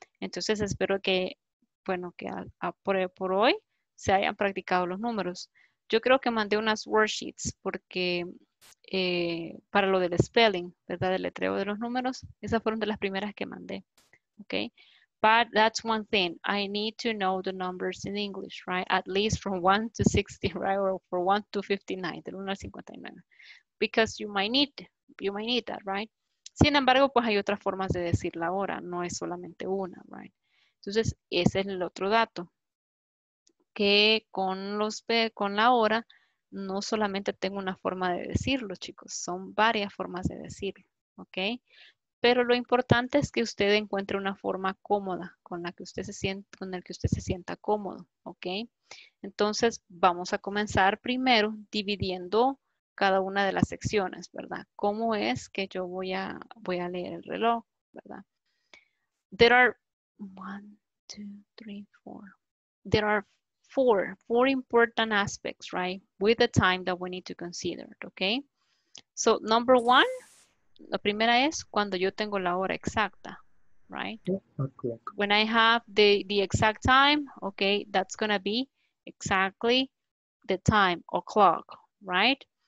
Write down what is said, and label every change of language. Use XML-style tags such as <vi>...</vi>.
<es>Entonces, espero que, bueno, que por hoy se hayan practicado los números. Yo creo que mandé unas worksheets porque para lo del spelling, ¿verdad? Del letreo de los números, esas fueron de las primeras que mandé, ¿ok?</es> <en>But that's one thing. I need to know the numbers in English, right? At least from 1 to 60, right? Or from 1 to 59,</en> <es>del 1 al 59.</es> <en>Because you might need that, right?</en> <es>Sin embargo, pues hay otras formas de decir la hora. No es solamente una,</es> <en>right?</en> <es>Entonces, ese es el otro dato. Que con la hora, no solamente tengo una forma de decirlo, chicos. Son varias formas de decirlo, ¿ok? Pero lo importante es que usted encuentre una forma cómoda con la que usted se siente, con el que usted se sienta cómodo, ¿ok? Entonces, vamos a comenzar primero dividiendo cada una de las secciones, ¿verdad? ¿Cómo es que yo voy a leer el reloj, ¿verdad?</es> <en>There are 1, 2, 3, 4. There are four important aspects, right? With the time that we need to consider, ¿ok? So, number one.</en> <es>La primera es cuando yo tengo la hora exacta,</es> <en>right? Okay. When I have the exact time, okay, that's going to be exactly the time, o'clock, right?</en>